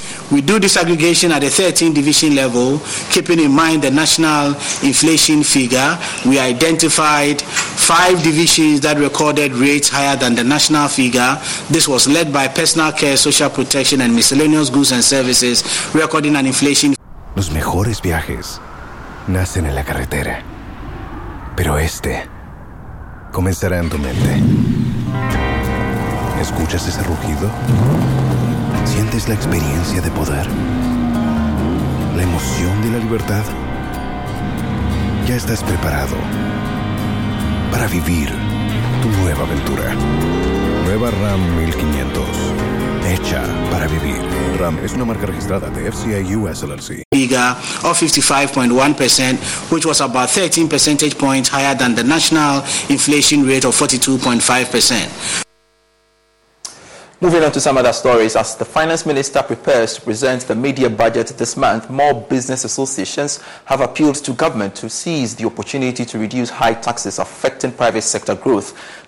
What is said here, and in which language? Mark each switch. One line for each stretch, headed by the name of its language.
English: We do this aggregation at the 13 division level, keeping in mind the national inflation figure. We identified 5 divisions that recorded rates higher than the national figure. This was led by personal care, social protection, and miscellaneous goods and services, recording an inflation.
Spanish: Los mejores viajes nacen en la carretera, pero este comenzará en tu mente. ¿Escuchas ese rugido? ¿Sientes la experiencia de poder? ¿La emoción de la libertad? Ya estás preparado para vivir tu nueva aventura. Nueva Ram 1500. Hecha para vivir. Ram es una marca registrada de FCA US LLC.
English: Bigger of 55.1%, which was about 13 percentage points higher than the national inflation rate of 42.5%. Moving on to some other stories, as the finance minister prepares to present the media budget this month, more business associations have appealed to government to seize the opportunity to reduce high taxes affecting private sector growth.